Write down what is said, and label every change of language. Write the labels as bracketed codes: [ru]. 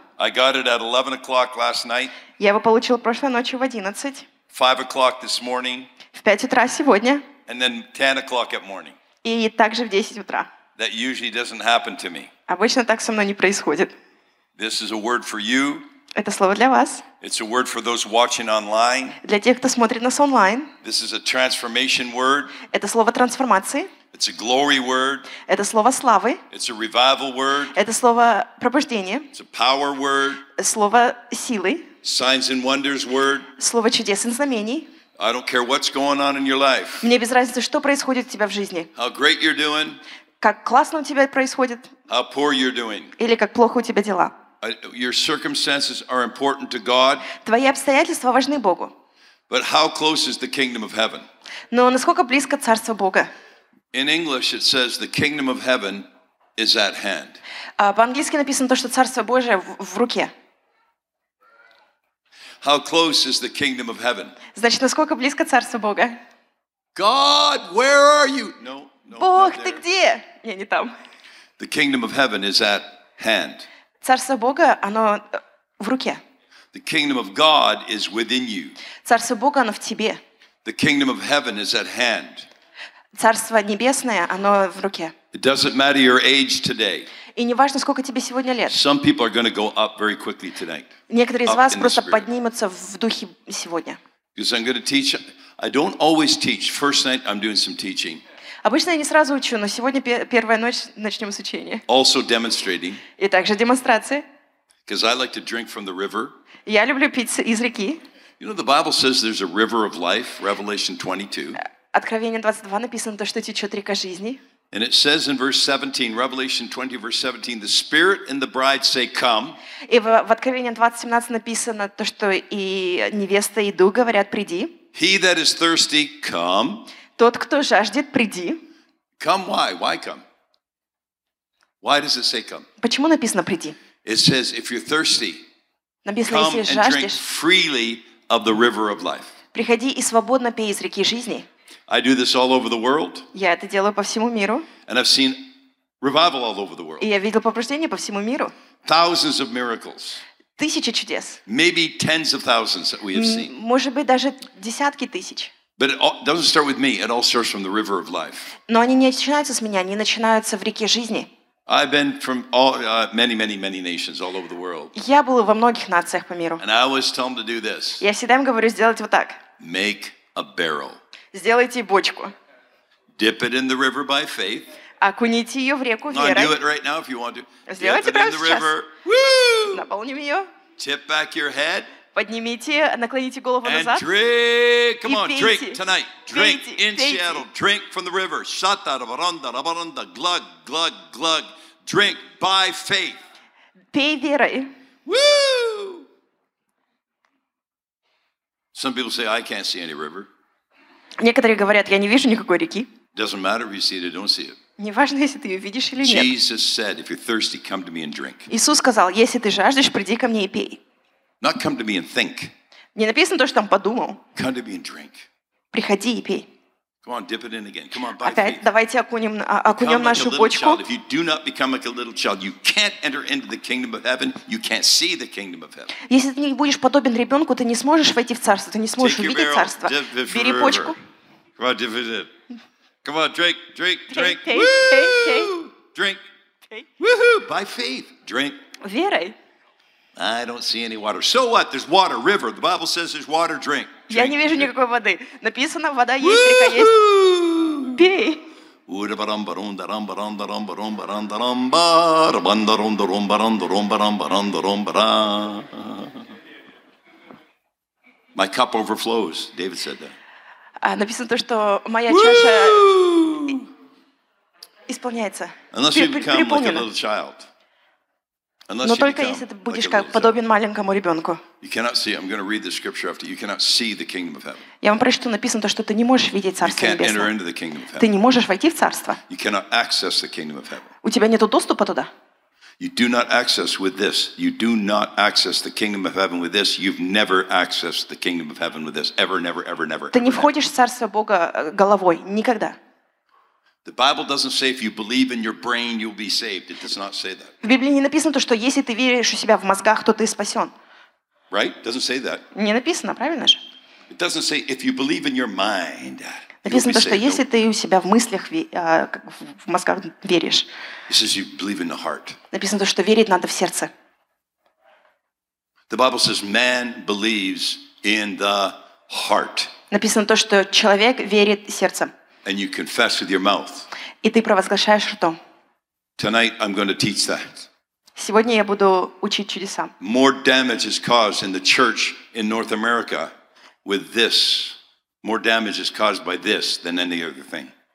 [en] I got it at 11 o'clock last night. [ru] Я его получил прошлой ночью в 11. [en] 5 o'clock this morning. [ru] В 5 утра сегодня. [en] And then 10 o'clock at morning. [ru] И также в 10 утра. [en] That usually doesn't happen to me. [ru] Обычно так со мной не происходит. [en] This is a word for you. [ru] Это слово для вас. [en] It's a word for those watching online. [ru] Для тех, кто смотрит нас онлайн. [en] This is a transformation word. [ru] Это слово трансформации. [en] It's a glory word. [ru] Это слово славы. [en] It's a revival word. [ru] Это слово пробуждение. [en] It's a power word. [ru] Слово силы. [en] Signs and wonders word. [ru] Слово чудес и знамений. [en] I don't care what's going on in your life. [ru] Мне без разницы, что происходит у тебя в жизни. [en] How great you're doing. [ru] Как классно у тебя происходит. [en] How poor you're doing. [ru] Или как плохо у тебя дела. [en] Your circumstances are important to God. [ru] Твои обстоятельства важны Богу. [en] But how close is the kingdom of heaven? [ru] Но насколько близко царство Бога? [en] In English it says the kingdom of heaven is at hand. [ru] По-английски написано то, что царство Божие в руке. [en] How close is the kingdom of heaven? [ru] Значит, насколько близко царство Бога? [en] God, where are you? No, no. [ru] Бог, ты где? Я не там. [en] The kingdom of heaven is at hand. [ru] Царство Бога, оно в руке. [en] The kingdom of God is within you. [ru] Царство Бога, оно в тебе. [en] The kingdom of heaven is at hand. [ru] Царство небесное, оно в руке. [en] It doesn't matter your age today. [ru] И не важно, сколько тебе сегодня лет. [en] Some people are going to go up very quickly tonight. [ru] Некоторые из вас просто поднимутся в духе сегодня. [en] Because I'm going to teach. I don't always teach. First night, I'm doing some teaching. [ru] Обычно я не сразу учу, но сегодня первая ночь начнем с учения. [en] Also demonstrating. [ru] И также демонстрации. [en] Because I like to drink from the river. [ru] Я люблю пить из реки. [en] You know, the Bible says there's a river of life, Revelation 22. [ru] Откровение 22 написано то, что течет река жизни. [en] And it says in verse 17, Revelation 20, verse 17, the Spirit and the Bride say, "Come." [ru] И в Откровении 20:17 написано то, что и невеста и дух говорят, приди. [en] He that is thirsty, come. [ru] Тот, кто жаждет, приди. [en] Come why? Why come? Why does it say come? [ru] Почему написано приди? [en] It says if you're thirsty, [ru] написано, [en] come and [ru] жаждешь, [en] drink freely of the river of life. [ru] Приходи и свободно пей из реки жизни. [en] I do this all over the world. [ru] Я это делаю по всему миру. [en] And I've seen revival all over the world. [ru] И я видел пробуждение по всему миру. [en] Thousands of miracles. [ru] Тысячи чудес. [en] Maybe tens of thousands that we have seen. [ru] Может быть даже десятки тысяч. [en] But it all doesn't start with me. It all starts from the river of life. [ru] Но они не начинаются с меня. Они начинаются в реке жизни. [en] I've been from all, many, many, many nations all over the world. [ru] Я был во многих нациях по миру. [en] And I always tell them to do this. [ru] Я всегда им говорю сделать вот так. [en] Make a barrel. [ru] Сделайте бочку. [en] Dip it in the river by faith. [ru] Окуните ее в реку верой. [en] Do it right now if you want to. [ru] Сделайте прямо сейчас. Наполним ее. [en] Tip back your head. [ru] Поднимите, наклоните голову [en] and [ru] назад. [en] Drink. Come [ru] и [en] on, [ru] пейте. [en] Drink tonight. Drink [ru] пейте, [en] in [ru] пейте. [en] Seattle. Drink from the river. Shata rabaranda rabaranda. Glug, glug, glug. Drink by faith. [ru] Пей верой. Woo! [en] Some people say, I can't see any river. [ru] Некоторые говорят, я не вижу никакой реки. [en] Doesn't matter if you see it or don't see it. [ru] Не важно, если ты ее видишь или нет. [en] Jesus said, if you're thirsty, come to me and drink. [ru] Иисус сказал, если ты жаждешь, приди ко мне и пей. [en] Not come to me and think. [ru] Не написано то, что там подумал. [en] Come to me and drink. [ru] Приходи и пей. [en] Come on, dip it in again. Come on, [ru] опять [en] faith. [ru] Давайте окунем нашу бочку. [en] If you do not become like a little child, you can't enter into the kingdom of heaven. You can't see the kingdom of heaven. [ru] Если ты не будешь подобен ребенку, ты не сможешь войти в царство, ты не сможешь [en] Take [ru] увидеть царство. Бери бочку. [en] Come on, dip it in. Come on, drink, drink, drink. [ru] Pay, pay, pay, pay. [en] Drink. Okay. Woohoo! By faith, drink. [ru] Верой. [en] I don't see any water. So what? There's water, river. The Bible says there's water, drink. [ru] Я не вижу никакой воды. Написано, вода есть, река есть. Пей. [en] My cup overflows. David said that. [ru] Написано то, что моя чаша исполняется. [en] Unless you become like a little child. [ru] Но только если ты будешь как подобен маленькому ребенку. [en] You cannot see. I'm going to read the scripture after. You cannot see the kingdom of heaven. [ru] Я вам прочту, написано то, что ты не можешь видеть царство небесное. [en] You can't enter into the kingdom of heaven. [ru] Ты не можешь войти в царство. [en] You cannot access the kingdom of heaven. [ru] У тебя нету доступа туда. [en] You do not access with this. You do not access the kingdom of heaven with this. You've never accessed the kingdom of heaven with this. Ever, never, ever, never. [ru] Ты не входишь в царство Бога головой никогда. [en] The Bible doesn't say if you believe in your brain you'll be saved. It does not say that. [ru] В Библии не написано то, что если ты веришь у себя в мозгах, то ты спасен. [en] Right? Doesn't say that. [ru] Не написано, правильно же? [en] It doesn't say if you believe in your mind. [ru] Написано то, что если ты у себя в мыслях, в мозгах веришь. [en] It says you believe in the heart. [ru] Написано то, что верить надо в сердце. [en] The Bible says man believes in the heart. [ru] Написано то, что человек верит сердцем. [en] And you confess with your mouth. [ru] И ты провозглашаешь ртом. [en] Tonight I'm going to teach that. [ru] Сегодня я буду учить чудеса. [en] More damage is caused in the church in North America with this. More damage is caused by this than any other thing.